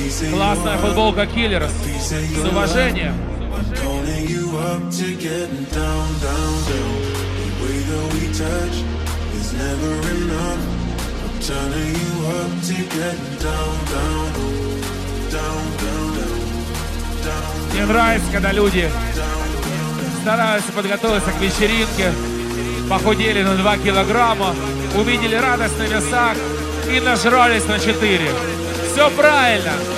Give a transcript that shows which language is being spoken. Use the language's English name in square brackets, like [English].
[Russian] Классная футболка Killers. С уважением. [English] Up to getting down, down, down. The way that we touch is never enough. I'm turning you up to getting down, down, down, down, down, down. [Russian] Мне нравится, когда люди стараются подготовиться к вечеринке, похудели на 2 килограмма, увидели радость на весах и нажрались на 4. Все правильно.